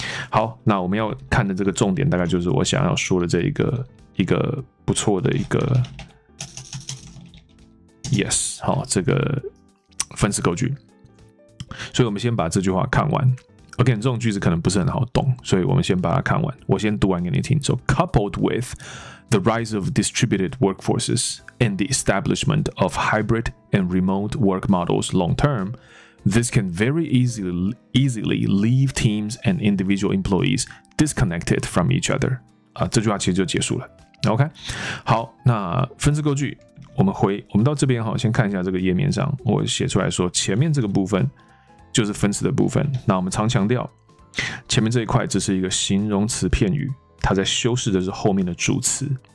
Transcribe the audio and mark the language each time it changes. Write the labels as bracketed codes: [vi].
[zh] 好，那我们要看的这个重点，大概就是我想要说的这一个不错的一个 ，yes， 好，这个分词构句。所以我们先把这句话看完。OK， 这种句子可能不是很好懂，所以我们先把它看完。我先读完给你听。 [en] So coupled with the rise of distributed workforces and the establishment of hybrid and remote work models long term. This can very easily leave teams and individual employees disconnected from each other. [zh] 这句话其实就结束了。 OK， 好，那分词构句，我们到这边哈，先看一下这个页面上，我写出来说前面这个部分就是分词的部分。那我们常强调，前面这一块只是一个形容词片语，它在修饰的是后面的主词。